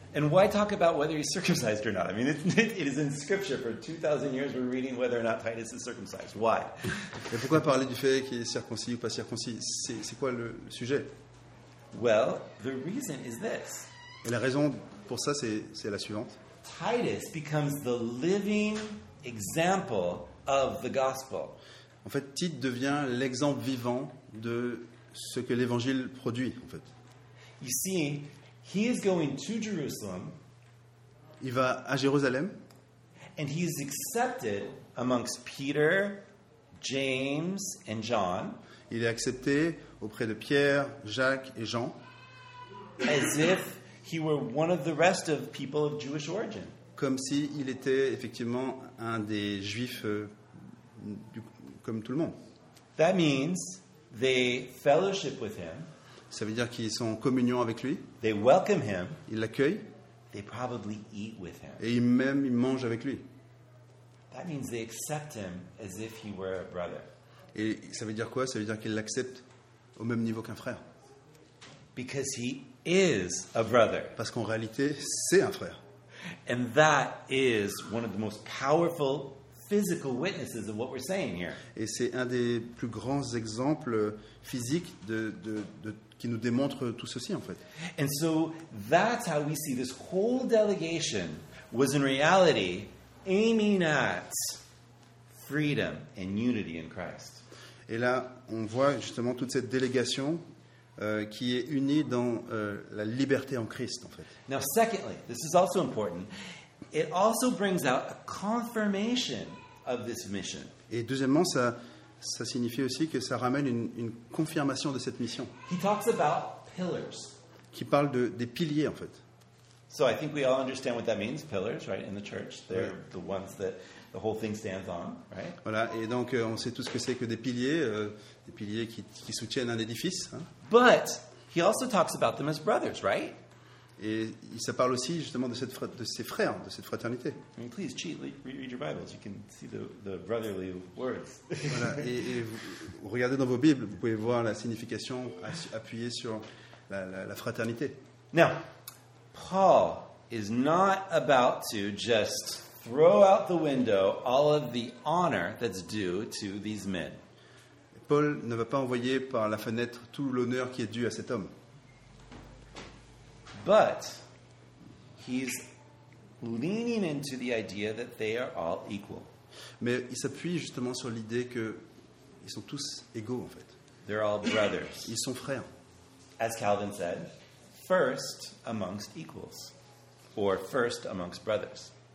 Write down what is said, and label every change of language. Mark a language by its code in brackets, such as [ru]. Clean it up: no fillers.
[en] And why talk about whether he's circumcised or not? I mean, it is in scripture for 2,000 years we're reading whether or not Titus is circumcised. Why? [fr] Et pourquoi parler du fait qu'il est circoncis ou pas circoncis? C'est quoi le sujet? [en] Well, the reason is this. [fr] Et la raison pour ça c'est la suivante. [en] Titus becomes the living example of the gospel. [fr] En fait, Tite devient l'exemple vivant de ce que l'évangile produit, en fait. [en] You see, he is going to Jerusalem. [fr] Il va à Jérusalem. [en] And he is accepted amongst Peter, James and John. [fr] Il est accepté auprès de Pierre, Jacques et Jean. [en] As if he were one of the rest of people of Jewish origin. [fr] Comme si il était effectivement un des Juifs du coup. Comme tout le monde. [en] That means they fellowship with him. [fr] Ça veut dire qu'ils sont en communion avec lui. [en] They welcome him. [fr] Ils l'accueillent. [en] They probably eat with him. [fr] Et même ils mangent avec lui. [en] That means they accept him as if he were a brother. [fr] Et ça veut dire quoi? Ça veut dire qu'ils l'acceptent au même niveau qu'un frère. [en] Because he is a brother. [fr] Parce qu'en réalité, c'est un frère. [en] And that is one of the most powerful physical witnesses of what we're saying here. [fr] Et c'est un des plus grands exemples physiques de qui nous démontre tout ceci en fait. [en] And so that's how we see this whole delegation was in reality aiming at freedom and unity in Christ. [fr] Et là, on voit justement toute cette délégation qui est unie dans la liberté en Christ en fait. [en] Now, secondly, this is also important. It also brings out a confirmation of this mission. [fr] Et deuxièmement, ça signifie aussi que ça ramène une confirmation de cette mission. [en] He talks about pillars. [fr] Qui parle des piliers, en fait. [en] So I think we all understand what that means, pillars, right, in the church. They're ouais, the ones that the whole thing stands on, right? [fr] Voilà, et donc on sait tout ce que c'est que des piliers qui soutiennent un édifice. Hein. [en] But he also talks about them as brothers, right? [fr] Et ça parle aussi justement de ses frères, de cette fraternité. [en] Please, cheat, read your Bibles. You can see the brotherly words. [fr] Voilà. Et vous, regardez dans vos Bibles, vous pouvez voir la signification appuyée sur la fraternité. [en] Now, Paul is not about to just throw out the window all of the honor that's due to these men. [fr] Paul ne va pas envoyer par la fenêtre tout l'honneur qui est dû à cet homme. [en] But he's leaning into the idea that they are all equal. [fr] Mais il s'appuie justement sur l'idée que ils sont tous égaux en fait. [en] They're all brothers. [fr] Ils sont frères. [en] As Calvin said, first amongst equals, or first amongst brothers.